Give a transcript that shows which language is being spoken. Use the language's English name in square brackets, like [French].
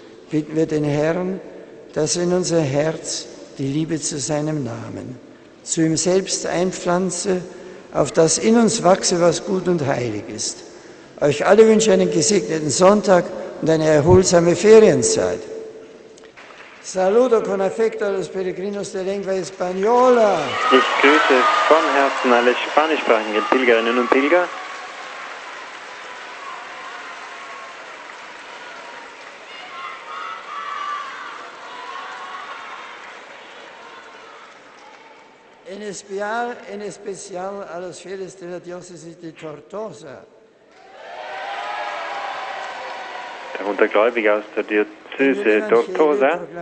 [German] Bitten wir den Herrn, dass er in unser Herz die Liebe zu seinem Namen, zu ihm selbst einpflanze, auf das in uns wachse, was gut und heilig ist. Euch alle wünsche einen gesegneten Sonntag und eine erholsame Ferienzeit. [Spanish] Saludo con affecto a los peregrinos de lengua española. [German] Ich grüße von Herzen alle spanischsprachigen Pilgerinnen und Pilger. [Spanish] En especial a los fieles de la diócesis de Tortosa. [German] Darunter Gläubige aus der Diözese Tortosa.